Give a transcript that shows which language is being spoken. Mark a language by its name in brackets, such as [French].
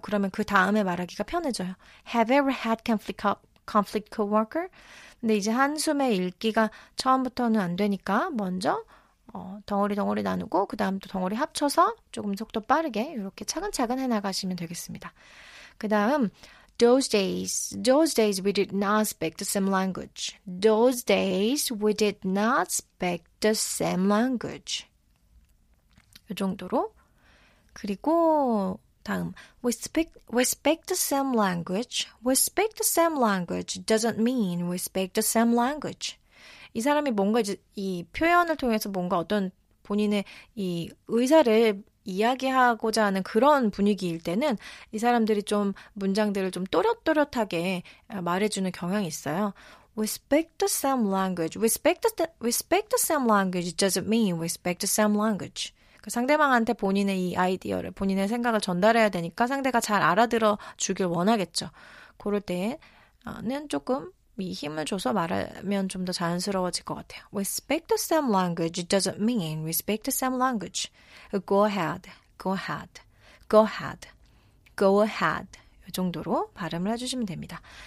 [Korean] 그러면 그 다음에 말하기가 편해져요. [English] Have ever had conflict coworker? [Korean] 근데 이제 한숨에 읽기가 처음부터는 안 되니까 먼저 덩어리 덩어리 나누고 그 다음 또 덩어리 합쳐서 조금 속도 빠르게 이렇게 차근차근 해나가시면 되겠습니다. 그 다음 [English] Those days we did not speak the same language. Those days we did not speak the same language. [Korean] 이 정도로 그리고 다음 [English] we speak the same language. We speak the same language doesn't mean we speak the same language. [Korean] 이 사람이 뭔가 이제 이 표현을 통해서 뭔가 어떤 본인의 이 의사를 이야기하고자 하는 그런 분위기일 때는 이 사람들이 좀 문장들을 좀 또렷또렷하게 말해주는 경향이 있어요. [English] We speak the same language. We speak the same language doesn't mean we speak the same language. [Korean] 상대방한테 본인의 이 아이디어를, 본인의 생각을 전달해야 되니까 상대가 잘 알아들어 주길 원하겠죠. 그럴 때는 조금 이 힘을 줘서 말하면 좀 더 자연스러워질 것 같아요. [English] We speak the same language doesn't mean we speak the same language. Go ahead, go ahead, go ahead, go ahead. [Korean] 이 정도로 발음을 해주시면 됩니다.